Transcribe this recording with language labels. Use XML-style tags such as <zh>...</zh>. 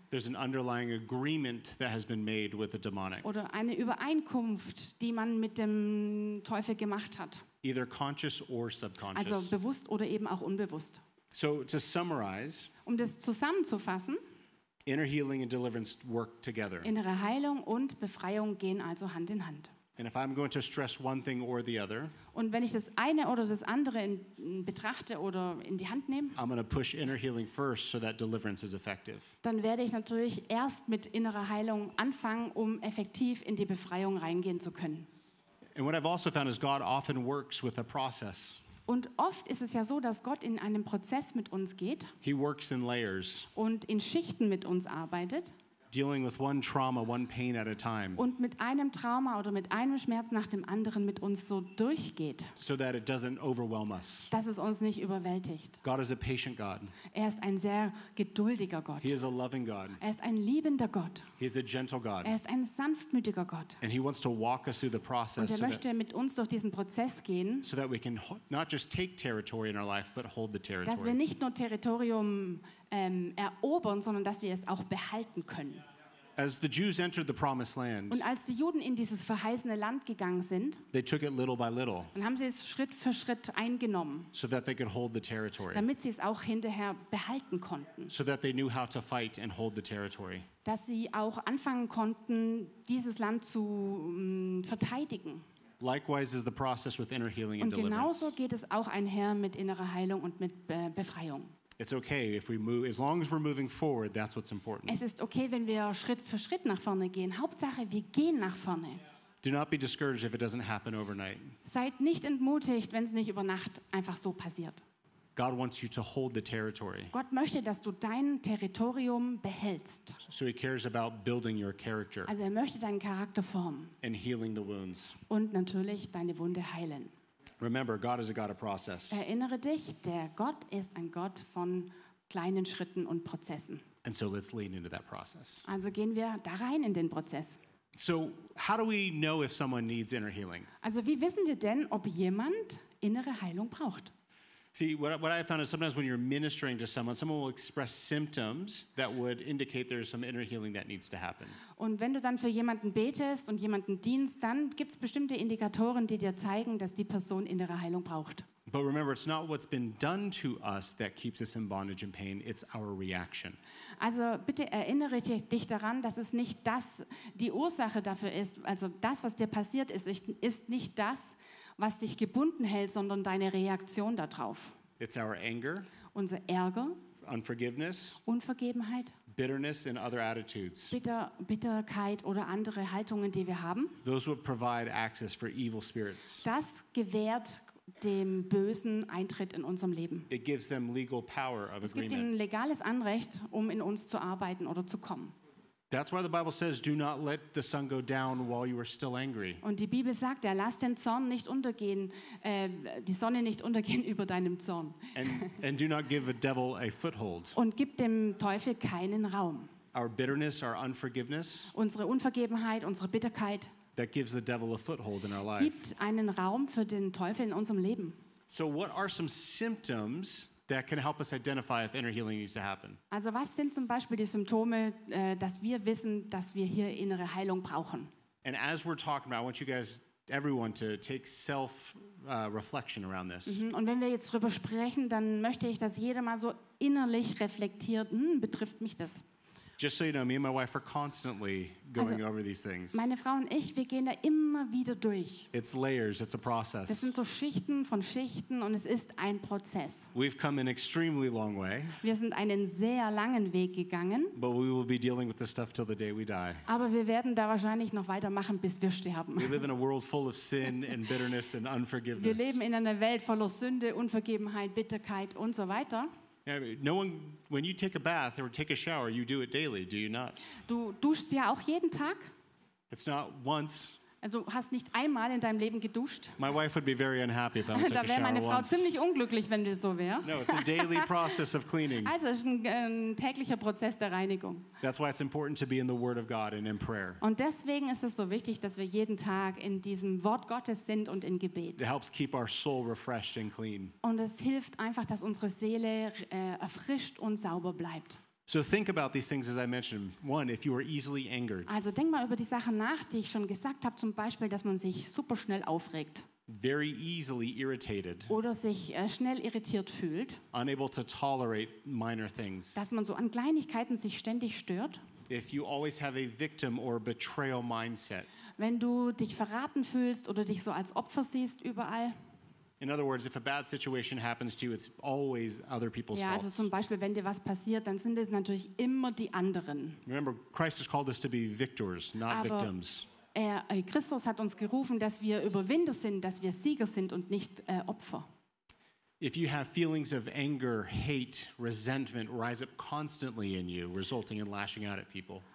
<en>There's an underlying agreement that has been made with the demonic.</en> <de>Oder eine Übereinkunft, die man mit dem Teufel gemacht hat.</de> <en>Either conscious or subconscious.</en> <de>Also bewusst oder eben auch unbewusst.</de> <en>So to summarize.</en> <de>Um das zusammenzufassen.</de> <en>Inner healing and deliverance work together.</en> <de>Innere Heilung und Befreiung gehen also Hand in Hand.</de> <en>And if I'm going to stress one thing or the other,</en> <de>und wenn ich das eine oder das andere betrachte oder in die Hand nehme,</de> <en>I'm going to push inner healing first so that deliverance is effective.</en> <de>Dann werde ich natürlich erst mit innerer Heilung anfangen, um effektiv in die Befreiung reingehen zu können.</de> <en>And what I've also found is God often works with a process.</en> <de>Und oft ist es ja so, dass Gott in einem Prozess mit uns geht.</de> <en>He works in layers.</en> <de>Und in Schichten mit uns arbeitet.</de> <en>Dealing with one trauma, one pain at a time.</en> <de>Und mit einem Trauma oder mit einem Schmerz nach dem anderen mit uns so durchgeht.</de> <en>So that it doesn't overwhelm us.</en> <de>Dass es uns nicht überwältigt.</de> <en>God is a patient God.</en> <de>Er ist ein sehr geduldiger Gott.</de> <en>He is a loving God.</en> <de>Er ist ein liebender Gott.</de> <en>He is a gentle God.</en> <de>Er ist ein sanftmütiger Gott.</de> <en>And he wants to walk us through the process.</en> <de>Und er möchte mit uns durch diesen Prozess gehen.</de> <en>So that we can not just take territory in our life, but hold the territory.</en> <de>Dass wir nicht nur Territorium erobern, sondern dass wir es auch behalten können.</de> <en>As the Jews entered the promised land,</en> <de>und als die Juden in dieses verheißene Land gegangen sind,</de> <en>they took it little by little,</en> <de>dann haben sie es Schritt für Schritt eingenommen,</de> <en>so that they could hold the territory,</en> <de>damit sie es auch hinterher behalten konnten,</de> <en>so that they knew how to fight and hold the territory,</en> <de>dass sie auch anfangen konnten, dieses Land zu verteidigen.</de> <en>Likewise is the process with inner healing and deliverance.</en> <de>Und genauso geht es auch einher mit innerer Heilung und mit Befreiung.</de> <en>It's okay if we move, as long as we're moving forward, that's what's important.</en> <de>Es ist okay, wenn wir Schritt für Schritt nach vorne gehen. Hauptsache, wir gehen nach vorne.</de> <en>Do not be discouraged if it doesn't happen overnight.</en> <de>Seid nicht entmutigt, wenn es nicht über Nacht einfach so passiert.</de> <en>God wants you to hold the territory.</en> <de>Gott möchte, dass du dein Territorium behältst.</de> <en>So he cares about building your character.</en> <de>Also er möchte deinen Charakter formen.</de> <en>And healing the wounds.</en> <de>Und natürlich deine Wunde heilen.</de> <en>Remember, God is a God of process.</en> <de>Erinnere dich, der Gott ist ein Gott von kleinen Schritten und Prozessen.</de> <en>And so let's lean into that process.</en> <de>Also gehen wir da rein in den Prozess.</de> <en>So how do we know if someone needs inner healing?</en> <de>Also wie wissen wir denn, ob jemand innere Heilung braucht?</de> <en>See, what I found is sometimes when you're ministering to someone, someone will express symptoms that would indicate there's some inner healing that needs to happen.</en> <de>Und wenn du dann für jemanden betest und jemanden dienst, dann gibt's bestimmte Indikatoren, die dir zeigen, dass die Person innere Heilung braucht.</de> <en>But remember, it's not what's been done to us that keeps us in bondage and pain, it's our reaction.</en> <de>Also bitte erinnere dich daran, dass es nicht das die Ursache dafür ist, also das, was dir passiert ist, ist nicht das, was dich gebunden hält, sondern deine Reaktion darauf.</de> <en>It's our anger,</en> <de>unser Ärger,</de> <en>unforgiveness,</en> <de>Unvergebenheit,</de> <en>bitterness and other attitudes.</en> <de>Bitterkeit oder andere Haltungen, die wir haben.</de> <en>Those would provide access for evil spirits.</en> <de>Das gewährt dem Bösen Eintritt in unserem Leben.</de> <en>It gives them legal power of</en> <de>agreement. Es gibt ihnen legales Anrecht, um in uns zu arbeiten oder zu kommen.</de> <en>That's why the Bible says, "Do not let the sun go down while you are still angry."</en> <de>Und die Bibel sagt, ja, lass den Zorn nicht untergehen, die Sonne nicht untergehen über deinem Zorn.</de> <en>And do not give a devil a foothold.</en> <de>Und gib dem Teufel keinen Raum.</de> <en>Our bitterness, our unforgiveness.</en> <de>Unsere Unvergebenheit, unsere Bitterkeit.</de> <en>That gives the devil a foothold in our life.</en> <de>Gibt einen Raum für den Teufel in unserem Leben.</de> <en>So what are some symptoms that can help us identify if inner healing needs to happen?</en> <de>Also was sind zum Beispiel die Symptome, dass wir wissen, dass wir hier innere Heilung brauchen?</de> <en>And as we're talking about, I want you guys, everyone, to take self reflection around this.</en> <de>Und wenn wir jetzt drüber sprechen, dann möchte ich, dass jeder mal so innerlich reflektiert, betrifft mich das?</de> <en>Just so you know, me and my wife are constantly going over these things.</en> <de>Meine Frau und ich, wir gehen da immer wieder durch.</de> <en>It's layers, it's a process.</en> <de>Das sind so Schichten von Schichten und es ist ein Prozess.</de> <en>We've come an extremely long way.</en> <de>Wir sind einen sehr langen Weg gegangen.</de> <en>But we will be dealing with this stuff till the day we die.</en> <de>Aber wir werden da wahrscheinlich noch weitermachen, bis wir sterben.</de> <en>We live in a world full of sin and bitterness and unforgiveness.</en> <de>Wir leben in einer Welt voller Sünde, Unvergebenheit, Bitterkeit und so weiter.</de> <en>Yeah, no one, when you take a bath or take a shower, you do it daily, do you not?</en> <de>Du duschst ja auch jeden Tag.</de> <en>It's not once.</en> <de>Also hast nicht einmal in deinem Leben geduscht.</de> <en>My wife would be very unhappy if I took a shower.</en> <de>Da wäre meine Frau ziemlich unglücklich, wenn das so wäre.</de> <en>No, it's a daily process of cleaning.</en> <de>Also es ist ein täglicher Prozess der Reinigung.</de> <en>That's why it's important to be in the Word of God and in prayer.</en> <de>Und deswegen ist es so wichtig, dass wir jeden Tag in diesem Wort Gottes sind und in Gebet.</de> <en>It helps keep our soul refreshed and clean.</en> <de>Und es hilft einfach, dass unsere Seele erfrischt und sauber bleibt.</de> <en>So think about these things as I mentioned. One, if you are easily angered.</en> <de>Also denk mal über die Sachen nach, die ich schon gesagt habe, zum Beispiel, dass man sich super schnell aufregt.</de> <en>Very easily irritated.</en> <de>Oder sich schnell irritiert fühlt.</de> <en>Unable to tolerate minor things.</en> <de>Dass man so an Kleinigkeiten sich ständig stört.</de> <en>If you always have a victim or betrayal mindset.</en> <de>Wenn du dich verraten fühlst oder dich so als Opfer siehst überall.</de> <en>In other words, if a bad situation happens to you, it's always other people's fault.</en> <de>Ja, also zum Beispiel, wenn dir was passiert, dann sind es natürlich immer die anderen.</de> <en>Remember, Christ has called us to be victors, not</en> <de>Aber</de> <en>victims.</en> <de>Christus hat uns gerufen, dass wir Überwinder sind, dass wir Sieger sind und nicht Opfer.</de> <en>If you have feelings of anger, hate, resentment rise up constantly in you, resulting in lashing out at people.</en>